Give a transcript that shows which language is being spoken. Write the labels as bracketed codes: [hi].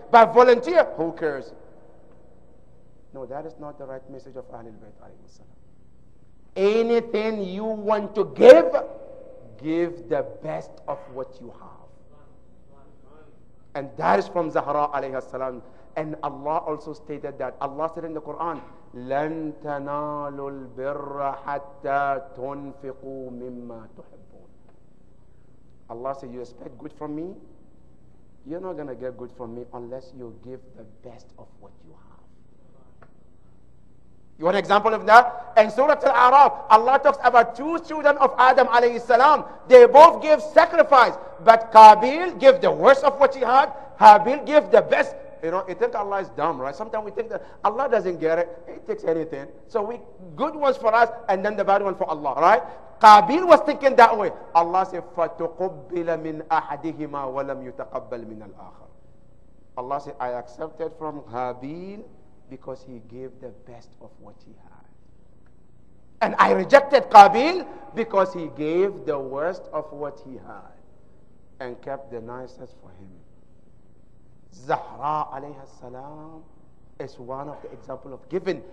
[en] But volunteer, who cares? No, that is not the right message of Ahlul Bayt alayhi salam. Anything you want to give, give the best of what you have. And that is from Zahra alayhi salam. And Allah also stated that. Allah said in the Quran, [ar] لَن تَنَالُوا الْبِرَّ حَتَّى تُنْفِقُوا مِمَّا تُحِبُّونَ. [en] Allah said, you expect good from me? You're not going to get good from me unless you give the best of what you have. You want an example of that? In Surah Al-A'raf, Allah talks about two children of Adam alayhi salam. They both give sacrifice, but Qabil gave the worst of what he had. Habil gave the best. You know, you think Allah is dumb, right? Sometimes we think that Allah doesn't get it. He takes anything. So we good ones for us and then the bad one for Allah, right? Qabil was thinking that way. Allah said, [ar] فَتُقُبِّلَ مِنْ أَحَدِهِمَا وَلَمْ يُتَقَبَّلْ مِنَ الْآخَرِ. [en] Allah said, I accepted from Habil because he gave the best of what he had. And I rejected Qabil because he gave the worst of what he had and kept the nicest for him. Zahra alayhi salam is one of the examples of giving.